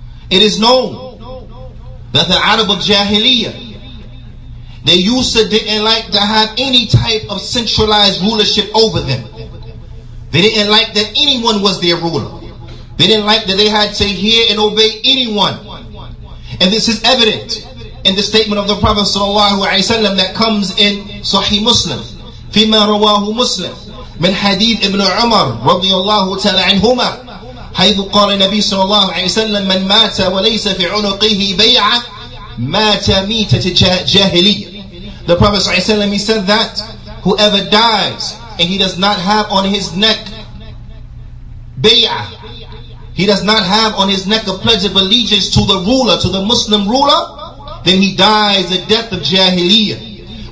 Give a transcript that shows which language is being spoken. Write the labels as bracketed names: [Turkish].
[English] It is known that the Arab of Jahiliyyah, they used to didn't like to have any type of centralized rulership over them. They didn't like that anyone was their ruler. They didn't like that they had to hear and obey anyone. And this is evident in the statement of the Prophet sallallahu alaihi wasallam that comes in Sahih Muslim. [Arabic] فيما رواه مسلم من حديث ابن عمر رضي الله تعالى عنهما حيث قال النبي صلى الله عليه وسلم من مات وليس في عنقه بيعة مات ميتة جاهلية. [English] The Prophet صلى الله عليه وسلم, he said that whoever dies and he does not have on his neck بيعة, he does not have on his neck a pledge of allegiance to the ruler, to the Muslim ruler, then he dies a death of جاهلية.